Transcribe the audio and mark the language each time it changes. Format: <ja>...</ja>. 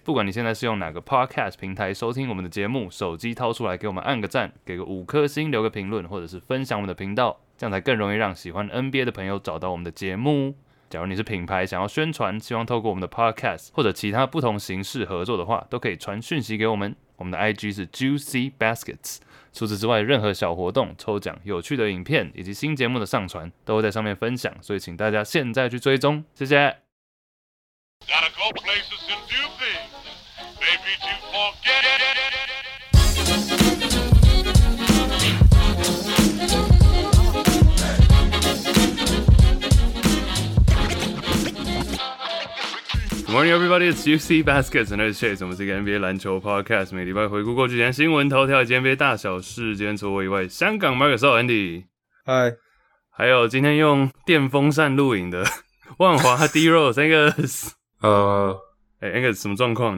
<zh>不管你现在是用哪个 Podcast 平台收听我们的节目，手机掏出来给我们按个赞，给个五颗星，留个评论，或者是分享我们的频道，这样才更容易让喜欢 NBA 的朋友找到我们的节目。假如你是品牌想要宣传，希望透过我们的 Podcast 或者其他不同形式合作的话，都可以传讯息给我们。我们的 IG 是 Juicy Baskets。除此之外，任何小活动、抽奖、有趣的影片以及新节目的上传都会在上面分享，所以请大家现在去追踪，谢谢。</zh> <en>Gotta go places and do things. Maybe to forget it. Good morning, everybody. It's UC Baskets and it's Chase.</en> <zh>我们是一个 NBA 篮球 podcast， 每礼拜回顾过去几天新闻头条以及 NBA 大小事。今天除我以外，香港 Marcus Andy，嗨，还有今天用电风扇录影的万华 D Rose Angus， Angus 什么状况？</zh>